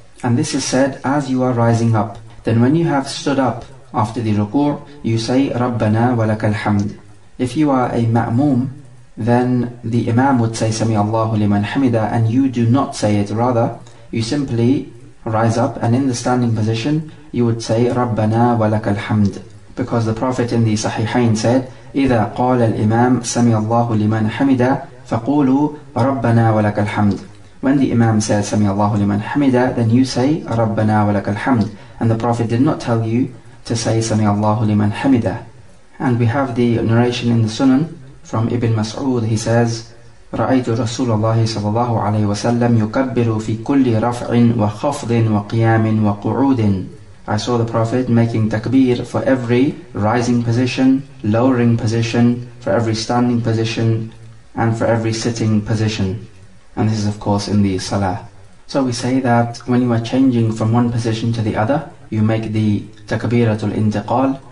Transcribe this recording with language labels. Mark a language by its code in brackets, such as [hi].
[en] And this is said as you are rising up. Then when you have stood up after the ruku', you say, [ar] رَبَّنَا وَلَكَ الْحَمْدِ. [en] If you are a ma'moom, then the imam would say, [ar] سَمِيَ liman hamida, [en] and you do not say it. Rather, you simply rise up, and in the standing position, you would say, [ar] رَبَّنَا وَلَكَ الْحَمْدِ. [en] Because the Prophet in the Sahihain said, [ar] إِذَا قَالَ الْإِمَامُ سَمِيَ اللَّهُ لِمَنْ حَمِدَ فَقُولُوا رَبَّنَا وَلَكَ الْحَمْدِ. [en] When the Imam says, [ar] سَمِيَ اللَّهُ لِمَنْ حَمِدَ, [en] then you say, [ar] رَبَّنَا وَلَكَ الْحَمْدِ. [en] And the Prophet did not tell you to say, [ar] سَمِيَ اللَّهُ لِمَنْ حَمِدَ. [en] And we have the narration in the Sunan from Ibn Mas'ud. He says, [ar] رَأَيْتُ رَسُولَ اللَّهِ صَلَى اللَّهُ عَلَيْهِ وَسَلَّمْ يُكَبِّرُ فِي كُلِّ رَفْعٍ وَخَفْضٍ وَقِيَامٍ وَقُعُودٍ. [en] I saw the Prophet making takbir for every rising position, lowering position, for every standing position, and for every sitting position. And this is of course in the Salah. So we say that when you are changing from one position to the other, you make the takbiratul intiqal.